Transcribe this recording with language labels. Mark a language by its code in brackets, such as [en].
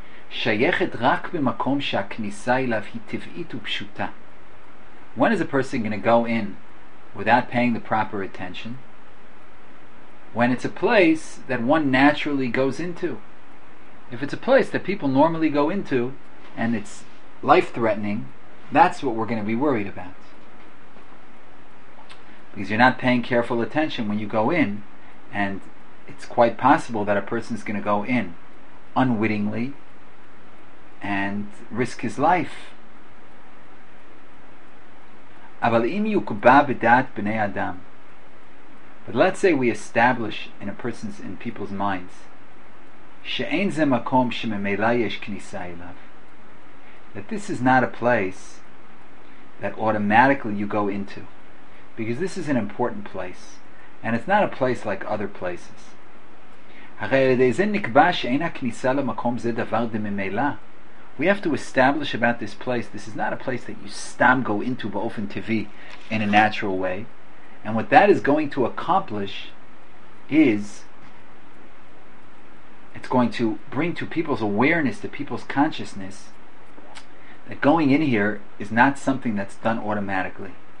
[he] שייכת רק במקום שהכניסה אליו היא טבעית ופשוטה. [en] When is a person going to go in without paying the proper attention? When it's a place that one naturally goes into. If it's a place that people normally go into and it's life-threatening, that's what we're going to be worried about. Because you're not paying careful attention when you go in, and it's quite possible that a person's going to go in unwittingly and risk his life. [he] אבל אם יוקבא בדעת בני אדם, [en] but let's say we establish in a person's, in people's minds, [he] שאין זה מקום שממילא יש כניסה אליו, [en] that this is not a place that automatically you go into, because this is an important place, and it's not a place like other places. [he] הרי על ידי זה נקבע שאין הכניסה למקום זה דבר דממילא. [en] We have to establish about this place. This is not a place that you stam go into [he] ba'ofen tivi [en] in a natural way. And what that is going to accomplish is it's going to bring to people's awareness, to people's consciousness, that going in here is not something that's done automatically.